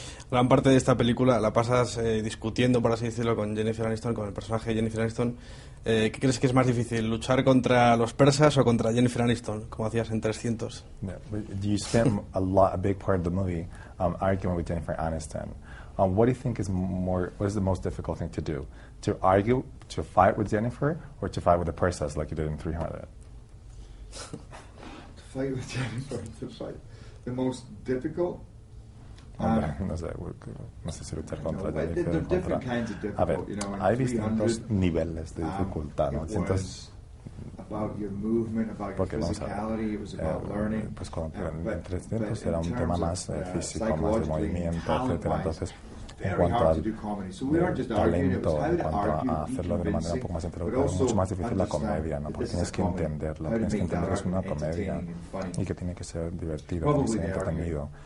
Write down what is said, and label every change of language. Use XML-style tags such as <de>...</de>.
<es>Gran parte de esta película la pasas discutiendo, por así decirlo, con Jennifer Aniston, con el personaje de Jennifer Aniston. ¿Qué crees que es más difícil, luchar contra los persas o contra Jennifer Aniston, como hacías en 300?</es> <en>Yeah, you spend a lot, a big part of the movie arguing with Jennifer Aniston. What do you think is more, what is the most difficult thing to do? To argue, to fight with Jennifer, or to fight with the persas like you did in 300? To fight with Jennifer, to fight. The most difficult?</en> <es>No sé si luchar contra Jennifer.</es> <en>There are different kinds of difficult,</en> <es>a ver,</es> <en>you know,</en> <es>hay distintos niveles de dificultad, ¿no? Entonces,</es> <en>about your movement, about your physicality, it was about learning.</en> <es>Pues cuando en 300 era un tema más físico, más de movimiento, etcétera. Entonces, en cuanto al talento, en cuanto a hacerlo de manera un poco más intelectual, es mucho más difícil la comedia, ¿no? Porque tienes que entenderlo, tienes que entender que es una comedia y que tiene que ser divertido y ser entretenido.</es>